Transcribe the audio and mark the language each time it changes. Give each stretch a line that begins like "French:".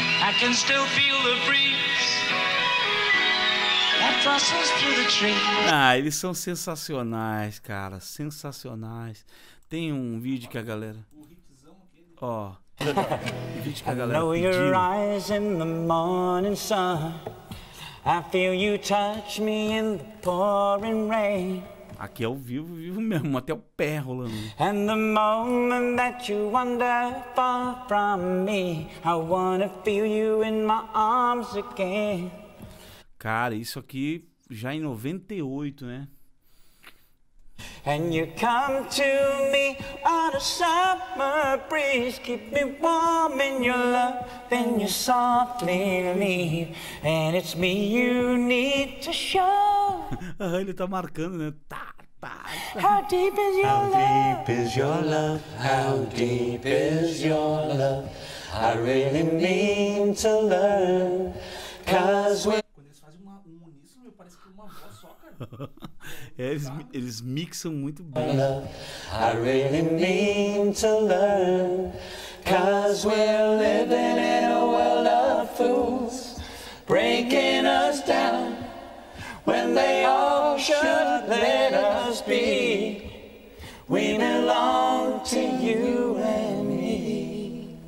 English: I can still feel the breeze that rustles through the trees.
Portuguese: Ah, eles são sensacionais, cara. Sensacionais. Tem um vídeo que a galera...
English: Ó. Oh.
Portuguese: Um vídeo que a galera pediu.
English: I know you rise in the morning sun. I feel you touch me in the pouring rain.
Portuguese: Aqui é o vivo, vivo mesmo, até o pé rolando.
English: And the moment that you wander far from me, I wanna feel you in my arms again.
Portuguese: Cara, isso aqui já em 98, né?
English: And you come to me on a summer breeze, keep me warm in your love, then you softly leave. And it's me you need to show.
Portuguese: Ah, ele tá marcando, né? Tá.
English: How deep is your love? How deep is your love? How deep is your love? I really mean to learn. Cause when...
Portuguese: Quando eles fazem um uníssono, meu, parece que é uma voz só, cara. eles mixam muito bem.
English: Love, I really mean to learn. Cause we're living in a world of fools, breaking us down. When they all should let us be, we belong to you and me.